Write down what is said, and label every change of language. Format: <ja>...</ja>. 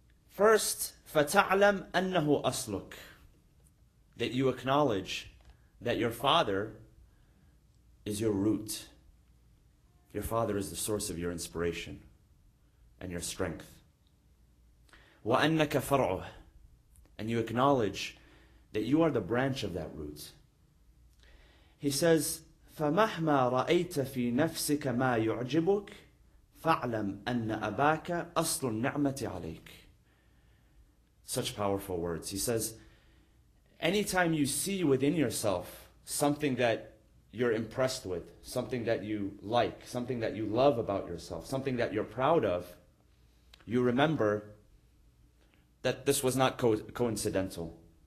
<en>First,</en> <ar>فَتَعْلَمْ أَنَّهُ أَصْلُكُ,</ar> <en>that you acknowledge that your father is your root. Your father is the source of your inspiration and your strength.</en> <ar>وَأَنَّكَ فَرْعُهُ,</ar> <en>and you acknowledge that you are the branch of that root. He says,</en> <ar>فَمَحْمَا رَأَيْتَ فِي نَفْسِكَ مَا يُعْجِبُكَ فَاعْلَمْ أَنَّ أَبَاكَ أَصْلُ النِّعْمَةِ عَلَيْكَ.</ar> <en>Such powerful words. He says, anytime you see within yourself something that you're impressed with, something that you like, something that you love about yourself, something that you're proud of, you remember that this was not coincidental.</en>